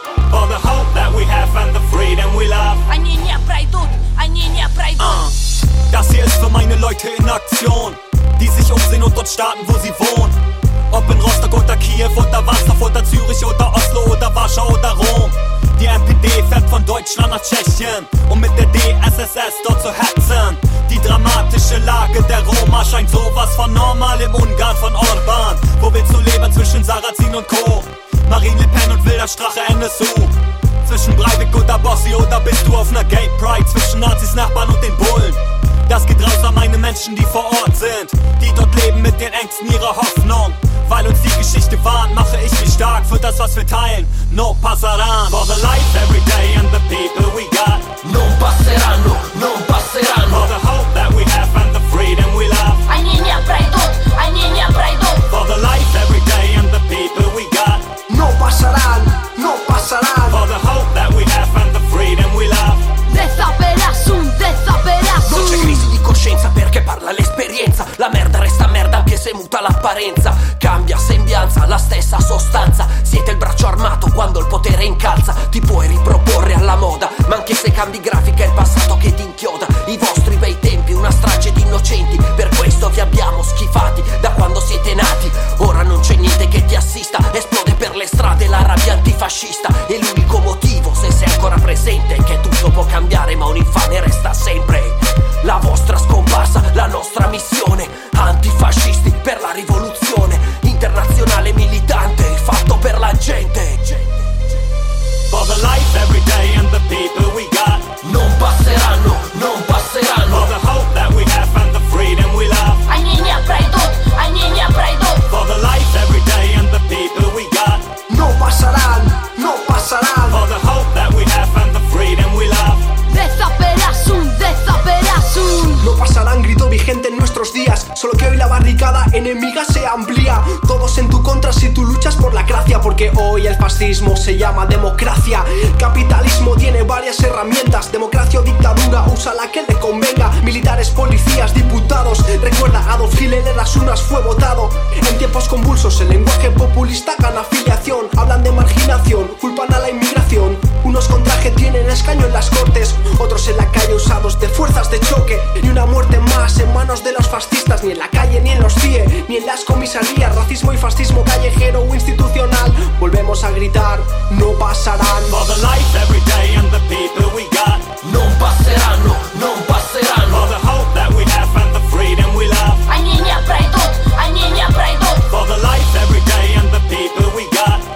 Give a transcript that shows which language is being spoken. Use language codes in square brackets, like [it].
[en] For the hope that we have and the freedom we love. [ru] Они не пройдут. [de] Das hier ist für meine Leute in Aktion, die sich umsehen und dort starten, wo sie wohnen. Ob in Rostock oder Kiew oder Wasserf oder Zürich oder Oslo oder Warschau oder Rom. Die NPD fährt von Deutschland nach Tschechien, um mit der DSSS dort zu hetzen. Die dramatische Lage der Roma scheint sowas von normal im Ungarn von Orban. Wo willst du leben zwischen Sarrazin und Co., Marine Le Pen und wilder Strache NSU? Zwischen Breivik oder Bossi oder bist du auf einer Gay Pride zwischen Nazis, Nachbarn und den Bullen? Das geht raus an meine Menschen, die vor Ort sind, die dort leben mit den Ängsten ihrer Hoffnung. Weil uns die Geschichte warnt, mache ich mich stark für das, was wir teilen. [it] No passeranno. [en] For the life every day and the people we got. [it] No passeranno, no passeranno. [en] For the hope that we have and the freedom we love. [ru] Они не пройдут, они не пройдут. [en] For the life every day and the people we got. [it] No passeranno, no passeranno. [en] For the hope that we have and the freedom we love. Desaperassum, desaperassum. [it] Non c'è crisi di coscienza perché parla l'esperienza. La merda resta merda anche se muta l'apparenza. Cambia sembianza, la stessa sostanza. Siete il braccio armato quando il potere incalza. Ti puoi riproporre alla moda, ma anche se cambi grafica è il passato che ti inchioda. I vostri bei tempi, una strage di innocenti. Per questo vi abbiamo schifati da quando siete nati. Ora non c'è niente che ti assista. Esplode per le strade la rabbia antifascista. E l'unico motivo, se sei ancora presente, è che tutto può cambiare, ma un infame resta sempre. La vostra scomparsa, la nostra missione. Antifascisti per la rivoluzione. Internazionale militante fatto per la gente. [en] For the life every day and the people we got. [it] Non passeranno, non passeranno. [en] For the hope that we have and the freedom we love. [ru] Они не пройдут, они не пройдут. [en] For the life every day and the people we got. [it] Non passeranno, non passeranno. [en] For the hope that we have and the freedom we love. Desaperassum, desaperassum. [es] Non passeranno, grito vigente en nuestros días. Solo que hoy la barricada enemiga se amplía. Todos en tu contra si tú luchas por la gracia. Porque hoy el fascismo se llama democracia. Capitalismo tiene varias herramientas. Democracia o dictadura, usa la que le convenga. Militares, policías, diputados. Recuerda, Adolf Hitler en las urnas fue votado. En tiempos convulsos el lenguaje populista gana afiliación. Hablan de marginación, culpan a la inmigración. Unos con traje tienen escaño en las cortes. Otros en la calle usados de fuerzas de choque. Y una muerte más en manos de los fascistas. Ni en la calle, ni en los CIE, ni en las comisarías. Racismo y fascismo callejero o institucional. Volvemos a gritar, no pasarán. [en] For the life every day and the people we got. [it] Non passeranno, non passeranno. [en] For the hope that we have and the freedom we love. [ru] Они не пройдут, они не пройдут. [en] For the life every day and the people we got.